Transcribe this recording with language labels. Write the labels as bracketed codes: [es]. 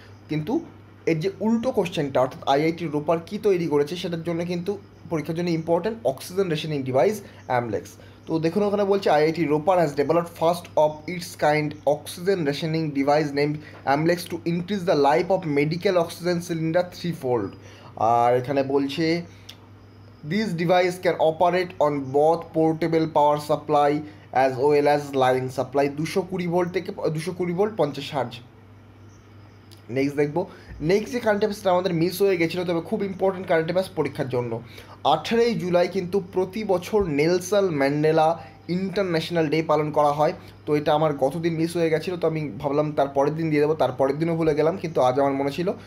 [bn] কিন্তু এর যে উল্টো কোশ্চেনটা, অর্থাৎ IIT রোপার কী তৈরি করেছে, সেটার জন্য কিন্তু পরীক্ষার জন্য ইম্পর্টেন্ট অক্সিজেন রেশনিং ডিভাইস অ্যামলেক্স। তো দেখুন ওখানে বলছে, [en] IIT Ropar has developed first of its kind oxygen rationing device named Amlex to increase the life of medical oxygen cylinder threefold. [bn] আর এখানে বলছে [en] These devices can operate on both portable power supply as well as line supply. 220 volt থেকে 220 volt 50 hertz. [bn] Next দেখবো, next যে current অ্যাপসটা আমাদের miss হয়ে গেছিলো, তবে খুব ইম্পর্টেন্ট কারেন্ট অ্যাপস পরীক্ষার জন্য, 18 জুলাই কিন্তু প্রতি বছর নেলসন ম্যান্ডেলা ইন্টারন্যাশনাল ডে পালন করা হয়। তো এটা আমার গতদিন মিস হয়ে গেছিলো, তো আমি ভাবলাম তার পরের দিন দিয়ে দেবো, তার পরের দিনও ভুলে গেলাম, কিন্তু আজ আমার মনে ছিল।